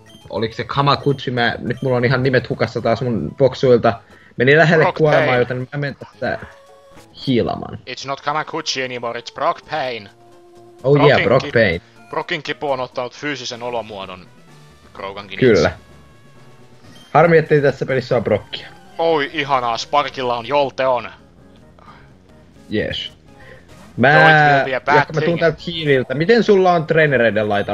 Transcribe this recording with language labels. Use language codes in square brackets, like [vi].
[fi] oliks se Kamakutsu? Nyt mulla on ihan nimet hukassa taas mun boksuilta. Meni lähelle Brock kuolemaan, pain. Joten mä menen tästä hiilaamaan. [en] It's not Kamakutsu anymore, it's Brock Pain. Oh Brokin yeah, Brock Pain. [fi] Brockin kipu on ottanut fyysisen olomuodon Krogankin itse. Kyllä. Harmi, ettei tässä pelissä on Brockia. Oi, ihanaa, Sparkilla on Jolteon. Jees. Mä... Jotka mä tuun täältä hiililtä. Miten sulla on trainereiden laita?